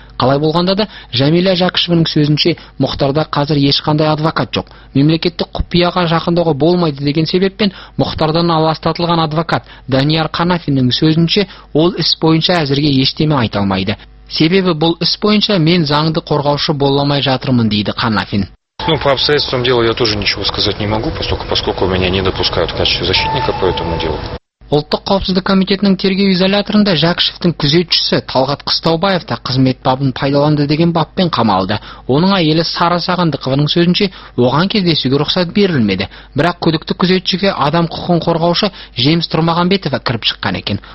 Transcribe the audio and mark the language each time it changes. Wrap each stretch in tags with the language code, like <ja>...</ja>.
<kk>Қалай болғанда да, Жәмилә Жәкішеваның сөзінше, Мұхтарда қазір ешқандай адвокат жоқ. Мемлекеттік құпияға жақындығы болмайды деген себеппен Мұхтардан аластатылған адвокат Данияр Қанафиннің сөзінше, ол іс бойынша әзірге ештеме айта алмайды. Себебі бұл іс бойынша мен заңды қорғаушы бола алмай жатырмын дейді Қанафин.</kk> <ru>Ну, по обстоятельствам дела я тоже ничего сказать не могу, поскольку меня не допускают в качестве защитника по этому делу.</ru> <kk>Ұлттық қауіпсіздік комитетінің тергеу изоляторында Жәкішевтің күзетшісі Талғат Қыстаубаев та қызмет бабын пайдаланды деген баппен қамалды. Оның әйелі Сара Сағындықованың сөзінше, оған кездесуге рұқсат берілмеді. Бірақ күдікті күзетшіге адам құқығын қорғаушы Жеміс Тұрмағанбетов кіріп шыққан екен.</kk>